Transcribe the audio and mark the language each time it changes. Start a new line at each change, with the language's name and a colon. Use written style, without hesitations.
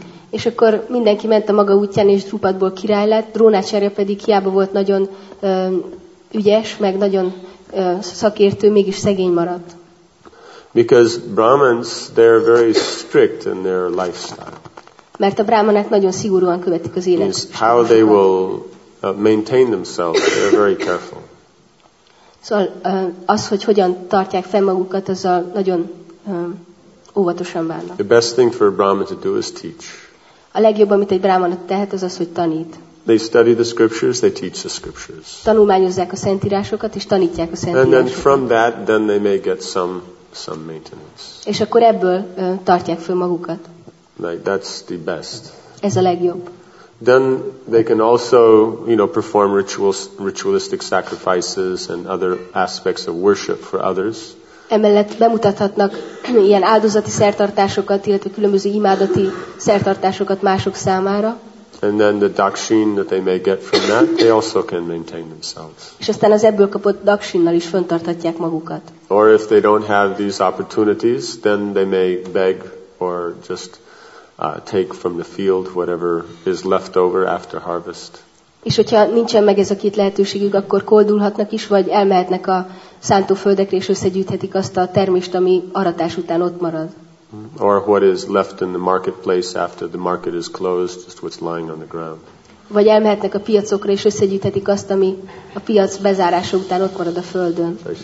Hungarian: És akkor mindenki ment a maga útján, és Drupadból király lett. Drónacharya pedig hiába volt nagyon ügyes, meg nagyon szakértő, mégis szegény maradt.
English: Because Brahmins, they're very strict in their lifestyle.
Hungarian: Mert a brahmanák nagyon szigorúan követik az életet.
English: How they will maintain themselves, they're very careful.
Hungarian: Szóval az, hogy hogyan tartják fenn magukat, azzal nagyon óvatosan válnak.
English: The best thing for a brahman to do is teach.
Hungarian: A legjobb, amit egy brahman tehet, az az, hogy tanít.
English: They study the scriptures, they teach the scriptures.
Hungarian: Tanulmányozzák a szentírásokat és tanítják a szentírásokat.
English: And then from that, then they may get some maintenance.
Hungarian: És akkor ebből tartják fel magukat.
English: Like that's the best.
Hungarian: Ez a legjobb.
English: Then they can also, you know, perform ritualistic sacrifices and other aspects of worship for others.
Hungarian: Emellett bemutathatnak ilyen áldozati szertartásokat, illetve különböző imádati szertartásokat mások számára.
English: And then the dakshin that they may get from that, they also can maintain themselves.
Hungarian: És aztán az ebből kapott dakshinnal is fönntartatják magukat.
English: Or if they don't have these opportunities, then they may beg or just take from the field whatever is left over after harvest.
Hungarian: És hogyha nincsen meg ez a két lehetőségük, akkor koldulhatnak is, vagy elmehetnek a szántóföldekre és összegyűjthetik azt a termést, ami aratás után ott marad.
English: Or what is left in the marketplace after the market is closed, just what's lying on the ground.
Hungarian: Vagy elmehetnek a piacokra és összegyűjthetik azt, ami a piac bezárása után ott marad a földön.